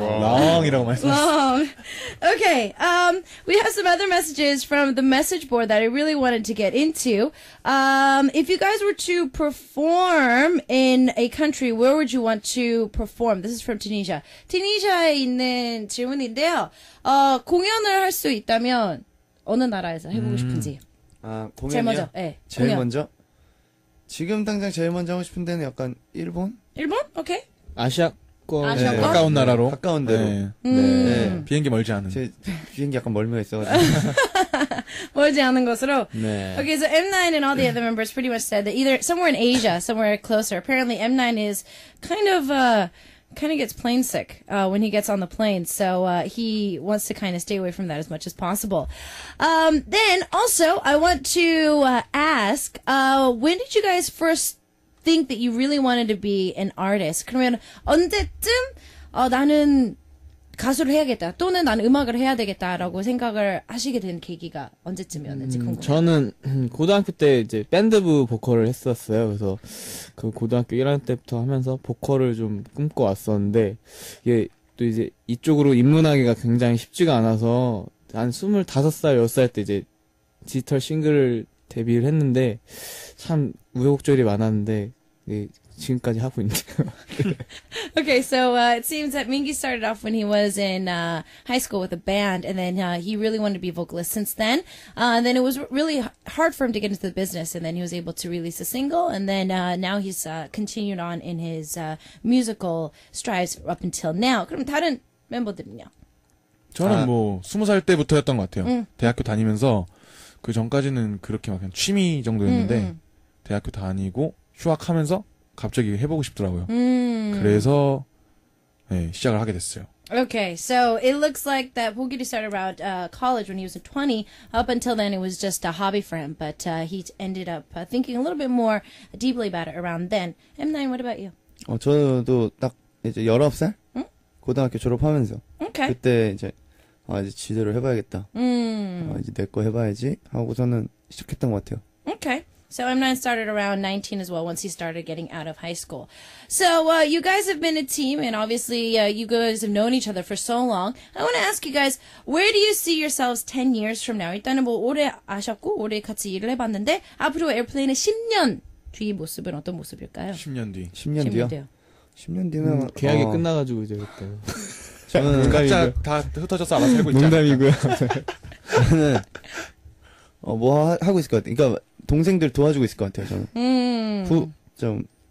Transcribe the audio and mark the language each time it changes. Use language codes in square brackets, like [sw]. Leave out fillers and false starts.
[ko] Long이라고 말씀하셨어요. Long. [en] Okay, we have some other messages from the message board that I really wanted to get into. If you guys were to perform in a country, where would you want to perform? This is from Tunisia. [ko] Tunisia에 있는 질문인데요. 공연을 할 수 있다면 어느 나라에서 해보고 싶은지. 아, 공연이요? 제일 먼저, 네. 제일 공연. 먼저? 지금 당장 제일 먼저 하고 싶은 데는 약간 일본? 일본? 오케이. 아시아권. 네. 가까운 나라로? 가까운 데로. 네. 네. 네. 비행기 멀지 않은. 제 비행기 약간 멀미가 있어가지고. 멀지 않은 곳으로? 네. [en] Okay, so M9 and all the other members pretty much said that either somewhere in Asia, somewhere closer. Apparently M9 is kind of gets plane sick when he gets on the plane, so he wants to kind of stay away from that as much as possible. Then, also, I want to ask, when did you guys first think that you really wanted to be an artist? [ko] 그러면 언제쯤 나는 가수를 해야겠다, 또는 나는 음악을 해야 되겠다라고 생각을 하시게 된 계기가 언제쯤이었는지 궁금해요. 저는 고등학교 때 이제 밴드부 보컬을 했었어요. 그래서 그 고등학교 1학년 때부터 하면서 보컬을 좀 꿈꿔왔었는데 이게 또 이제 이쪽으로 입문하기가 굉장히 쉽지가 않아서 한 25살, 10살 때 이제 디지털 싱글을 데뷔를 했는데 참 우여곡절이 많았는데 지금까지 하고 있네요. [en] Okay, so it seems that Mingi started off when he was in high school with a band, and then he really wanted to be a vocalist since then. And then it was really hard for him to get into the business, and then he was able to release a single, and then now he's continued on in his musical strides up until now. [ko] 그럼 다른 멤버들은요? 저는 뭐 20살 때부터였던 것 같아요. 대학교 다니면서 그 전까지는 그렇게 막 그냥 취미 정도였는데 대학교 다니고 휴학하면서 갑자기 해보고 싶더라고요. 그래서 네, 시작을 하게 됐어요. [en] Okay, so it looks like that Bogiri started around college when he was 20. Up until then, it was just a hobby for him. But he ended up thinking a little bit more deeply about it around then. M9, what about you? [ko] 저도 딱 이제 19살? 고등학교 졸업하면서 [en] okay. [ko] 그때 이제 이제 제대로 해봐야겠다. 이제 내 거 해봐야지 하고서는 시작했던 것 같아요. [en] Okay. So M9 started around 19 as well, once he started getting out of high school. So you guys have been a team, and obviously you guys have known each other for so long. I want to ask you guys, where do you see yourselves 10 years from now? [ko] 일단은 뭐 올해 아셨고, 올해 같이 일을 해봤는데, 앞으로 에어플레인의 10년 뒤 모습은 어떤 모습일까요? 10년 뒤. 10년 뒤요? 10년 뒤는... 계약이 끝나가지고 이제 그때. 저는 각자 다 흩어져서 알아서 살고 있죠. 농담이고요. 저는 뭐 하고 있을 것 같아요. 그러니까 동생들 도와주고 있을 것 같아요, 저는. 좀